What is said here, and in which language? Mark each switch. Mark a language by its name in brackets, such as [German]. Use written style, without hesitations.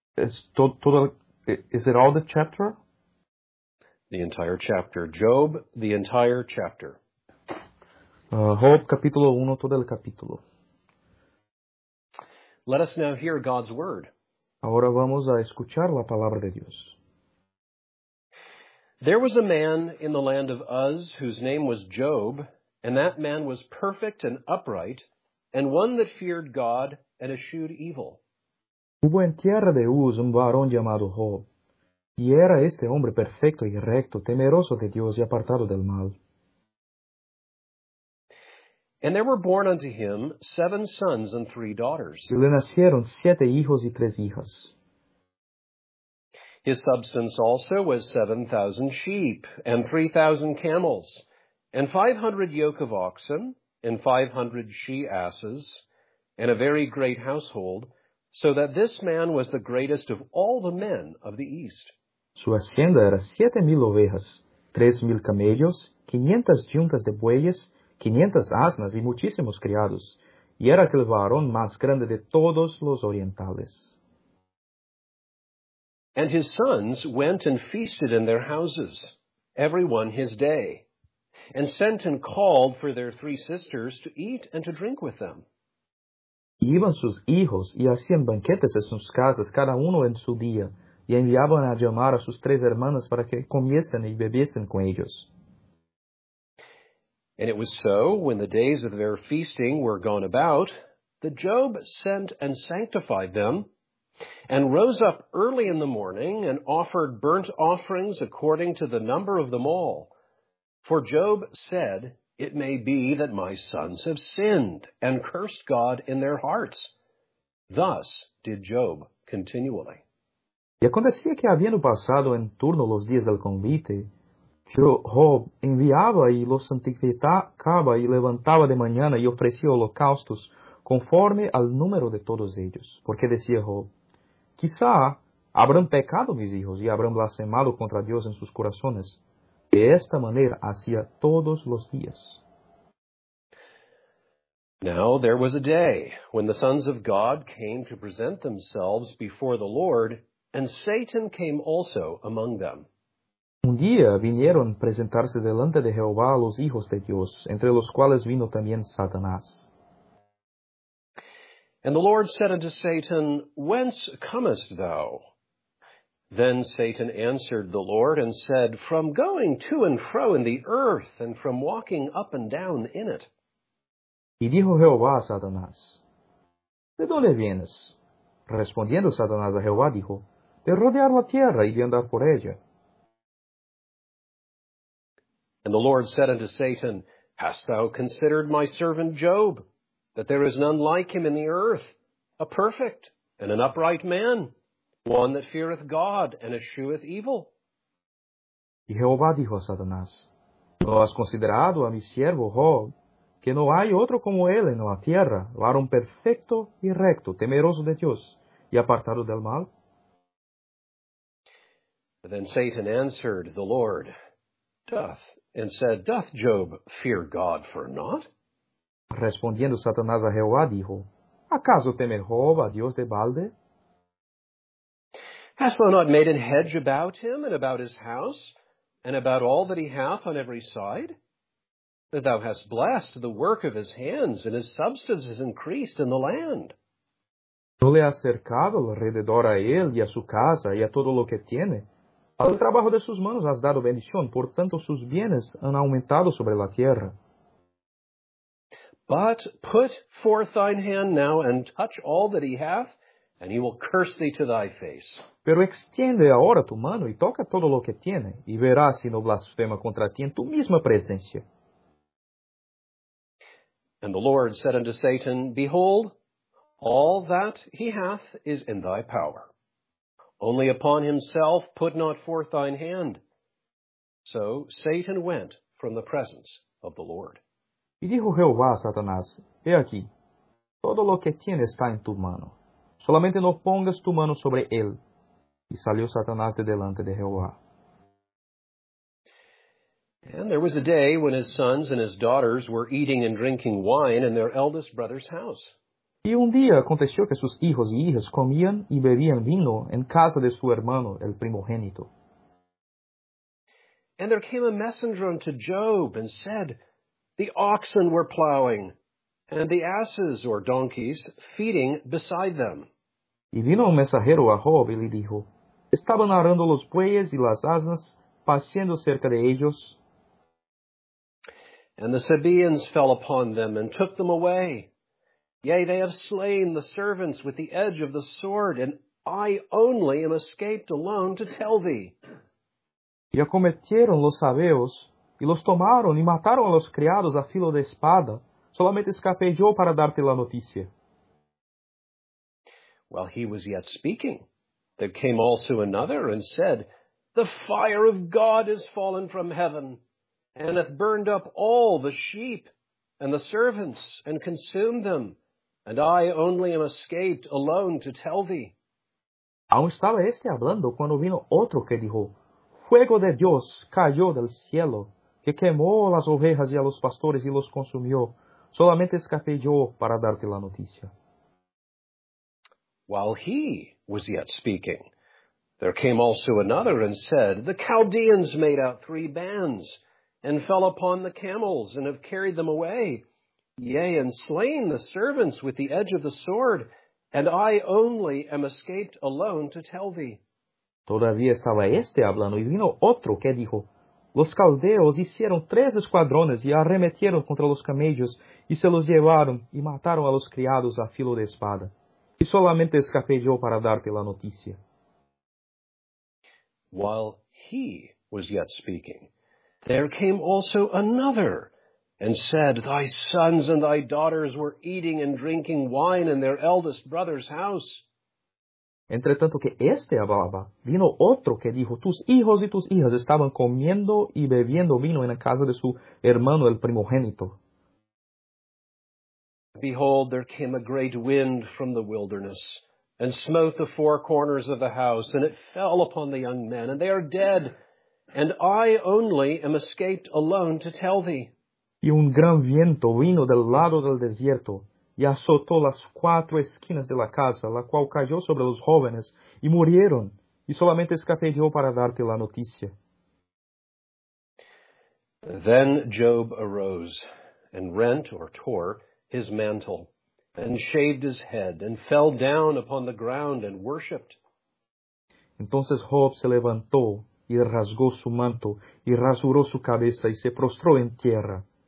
[English] Is it all the chapter? The entire chapter. Job, the entire chapter. [Spanish] Job capítulo 1, todo el capítulo. [English] Let us now hear God's word. [Spanish] Ahora vamos a escuchar la palabra de Dios. [English] There was a man in the land of Uz whose name was Job, and that man was perfect and upright, and one that feared God and eschewed evil. [Spanish] Hubo en tierra de Uz un varón llamado Job, y era este hombre perfecto y recto, temeroso de Dios y apartado del mal. [English] And there were born unto him 7 sons and 3 daughters. [Spanish] Y le nacieron 7 hijos y 3 hijas. [English] His substance also was 7,000 sheep, and 3,000 camels, and 500 yoke of oxen, and 500 she-asses, and a very great household, so that this man was the greatest of all the men of the East. [Spanish] Su hacienda era 7,000 ovejas, 3,000 camellos, 500 yuntas de bueyes, 500 asnas y muchísimos criados, y era aquel varón más grande de todos los orientales. [English] And his sons went and feasted in their houses, every one his day, and sent and called for their 3 sisters to eat and to drink with them. [Spanish] Y iban sus hijos y hacían banquetes en sus casas, cada uno en su día, y enviaban a llamar a sus 3 hermanas para que comiesen y bebiesen con ellos. [English] And it was so, when the days of their feasting were gone about, that Job sent and sanctified them, and rose up early in the morning, and offered burnt offerings according to the number of them all. For Job said, It may be that my sons have sinned, and cursed God in their hearts. Thus did Job continually. [Portuguese] E acontecia que, havendo passado em turno os dias del convite, Job enviava e [Spanish] los santificaba, [Portuguese] e levantava de manhã, e oferecia holocaustos, conforme [Spanish] al número de todos ellos. Porque decía Job, Quizá habrán pecado mis hijos y habrán blasfemado contra Dios en sus corazones. De esta manera hacía todos los días. [English] Now there was a day when the sons of God came to present themselves before the Lord, and Satan came also among them. [Spanish] Un día vinieron a presentarse delante de Jehová los hijos de Dios, entre los cuales vino también Satanás. [English] And the Lord said unto Satan, Whence comest thou? Then Satan answered the Lord and said, From going to and fro in the earth, and from walking up and down in it. [Spanish] Y dijo Jehová a Satanás, ¿De dónde vienes? Respondiendo Satanás a Jehová, dijo, De rodear la tierra y de andar por ella. [English] And the Lord said unto Satan, Hast thou considered my servant Job? That there is none like him in the earth, a perfect and an upright man, one that feareth God and escheweth evil. [Spanish] Y Jehová dijo a Satanás, ¿No has considerado a mi siervo Job, que no hay otro como él en la tierra, varón perfecto y recto, temeroso de Dios, y apartado del mal? [English] But then Satan answered the Lord, Doth, and said, Doth Job fear God for naught? [Spanish] Respondiendo Satanás a Jehová, dijo, ¿Acaso teme Jehová, Dios de balde? [English] Hast thou not made an hedge about him, and about his house, and about all that he hath on every side? That thou hast blessed the work of his hands, and his substance is increased in the land. [Spanish] ¿No le has cercado alrededor a él, y a su casa, y a todo lo que tiene? Al trabajo de sus manos has dado bendición, por tanto sus bienes han aumentado sobre la tierra. [English] But put forth thine hand now, and touch all that he hath, and he will curse thee to thy face. [Spanish] Pero extiende ahora tu mano, y toca todo lo que tiene, y verás si no blasfema contra ti en tu misma presencia. [English] And the Lord said unto Satan, Behold, All that he hath is in thy power. Only upon himself put not forth thine hand. So Satan went from the presence of the Lord. [Spanish] Y dijo Jehová a Satanás, he aquí, todo lo que tienes está en tu mano. Solamente no pongas tu mano sobre él. Y salió Satanás de delante de Jehová. [English] And there was a day when his sons and his daughters were eating and drinking wine in their eldest brother's house. [Spanish] Y un día aconteció que sus hijos y hijas comían y bebían vino en casa de su hermano, el primogénito. [English] And there came a messenger unto Job and said, the oxen were plowing, and the asses, or donkeys, feeding beside them. [Spanish] Y vino un mensajero a Job y le dijo, estaban arando los bueyes y las asnas, paseando cerca de ellos. [English] And the Sabaeans fell upon them and took them away. Yea, they have slain the servants with the edge of the sword, and I only am escaped alone to tell thee. [Spanish] Y acometieron los sabeos, y los tomaron, y mataron a los criados a filo de espada. Solamente escapé yo para darte la noticia. [English] While he was yet speaking, there came also another and said, the fire of God is fallen from heaven, and hath burned up all the sheep and the servants, and consumed them. And I only am escaped alone to tell thee. [Spanish] Aún estaba este hablando cuando vino otro que dijo, fuego de Dios cayó del cielo, que quemó las ovejas y a los pastores y los consumió. Solamente escapé yo para darte la noticia. [English] While he was yet speaking, there came also another and said, the Chaldeans made out three bands and fell upon the camels and have carried them away. Yea, and slain the servants with the edge of the sword, and I only am escaped alone to tell thee. [Spanish] Todavía estaba este hablando, y vino otro que dijo, los caldeos hicieron tres escuadrones, y arremetieron contra los camellos, y se los llevaron, y mataron a los criados a filo de espada. Y solamente escapé yo para darte la noticia. [English] While he was yet speaking, there came also another, and said, thy sons and thy daughters were eating and drinking wine in their eldest brother's house. [Spanish] Entretanto que este hablaba, vino otro que dijo, tus hijos y tus hijas estaban comiendo y bebiendo vino en la casa de su hermano el primogénito. [English] Behold, there came a great wind from the wilderness, and smote the four corners of the house, and it fell upon the young men, and they are dead, and I only am escaped alone to tell thee. [Spanish] Y un gran viento vino del lado del desierto, y azotó las cuatro esquinas de la casa, la cual cayó sobre los jóvenes, y murieron, y solamente escapé yo para darte la noticia. [English] Then Job arose, and rent, or tore, his mantle, and shaved his head, and fell down upon the ground, and worshipped. [Spanish] Entonces Job se levantó, y rasgó su manto, y rasuró su cabeza, y se prostró en tierra.